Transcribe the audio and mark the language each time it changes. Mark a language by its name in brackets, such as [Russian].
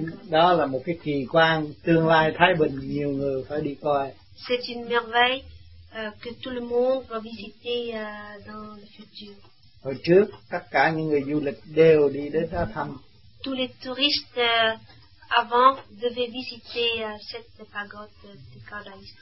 [Vietnamese] Đó là một cái kỳ quan tương lai Thái Bình nhiều người phải đi coi. [French] C'est une merveille que tout le monde va visiter dans le futur. [Vietnamese] Hồi trước tất cả những người du lịch đều đi đến đó thăm. [French] Tous les touristes avant devaient visiter cette pagode de Cao Dai.